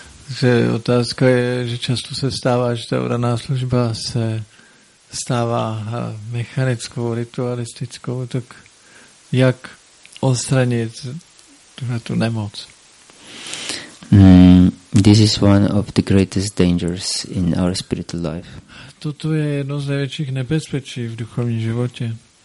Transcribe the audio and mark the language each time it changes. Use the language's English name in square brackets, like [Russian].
[Czech] Že otázka je, že často se stává, že ta oraná služba se stává mechanickou, ritualistickou, tak jak odstranit tuhle tu nemoc? [English] This is one of the greatest dangers in our spiritual life. [Czech] Toto je jedno z největších nebezpečí v duchovním životě.